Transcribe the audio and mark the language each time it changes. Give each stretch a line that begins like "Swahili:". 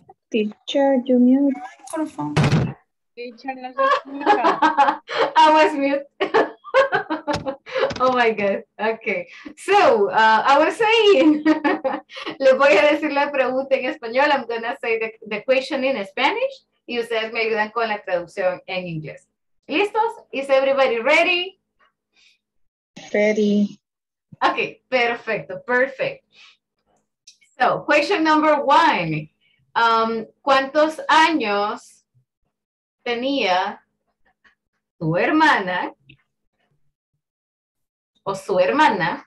English: Teacher, you mute. I was mute. Oh my God. Okay. So, I was saying,
Spanish: le voy a decir la pregunta en español.
English: I'm going to say the question in Spanish.
Spanish: Y ustedes me ayudan con la traducción en inglés.
English: ¿Listos? Is everybody ready? Ready. Okay. Perfecto. Perfect. So, question number one.
Spanish: ¿Cuántos años tenía tu hermana o su hermana?